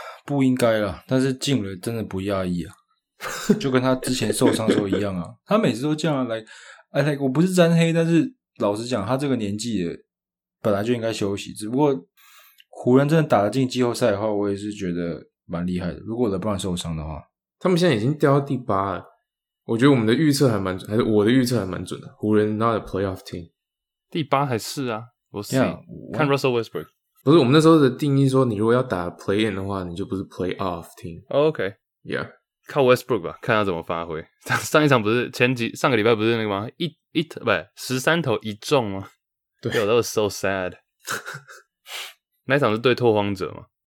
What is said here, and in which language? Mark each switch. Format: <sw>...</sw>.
<zh>不应该啦，但是进了真的不讶异啊。就跟他之前受伤的时候一样啊，他每次都这样啊，来，哎，我不是沾黑，但是老实讲，他这个年纪的本来就应该休息。只不过湖人真的打得进季后赛的话，我也是觉得蛮厉害的。如果 LeBron 受伤的话，他们现在已经掉到第八了。我觉得我们的预测还蛮准，还是我的预测还蛮准的。湖人 not a playoff team，第八还是啊？我是 看 Russell Westbrook，不是我们那时候的定义说，你如果要打 play in 的话，你就不是 playoff team。</zh> <en>Oh, OK， yeah，</en> <zh>靠 Westbrook 吧，看他怎么发挥。上一场不是上个礼拜不是那个吗？ 13投一中吗？对， That was so sad 。 那一场是对拓荒者吗？</zh>